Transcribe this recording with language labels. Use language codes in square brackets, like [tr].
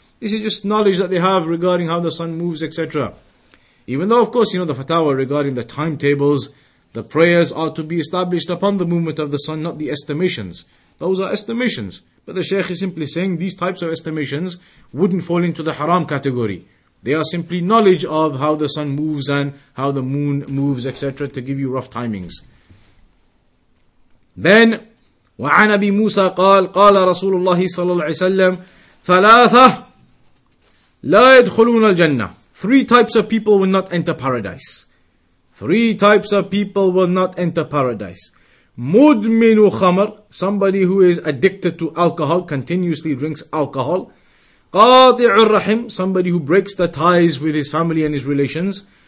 [en] This is just knowledge that they have regarding how the sun moves, etc. Even though, of course, you know, the fatwa regarding the timetables, the prayers are to be established upon the movement of the sun, not the estimations. Those are estimations. But the Shaykh is simply saying these types of estimations wouldn't fall into the haram category. They are simply knowledge of how the sun moves and how the moon moves, etc., to give you rough timings. [ar] Then, وعن أبي موسى قال قال رسول الله صلى الله عليه وسلم ثلاثة لا يدخلون الجنة. [en] Three types of people will not enter paradise. Three types of people will not enter paradise. [ar] مدمن خمر, [en] somebody who is addicted to alcohol, continuously drinks alcohol. [ar] قاطع الرحم, [en] somebody who breaks the ties with his family and his relations.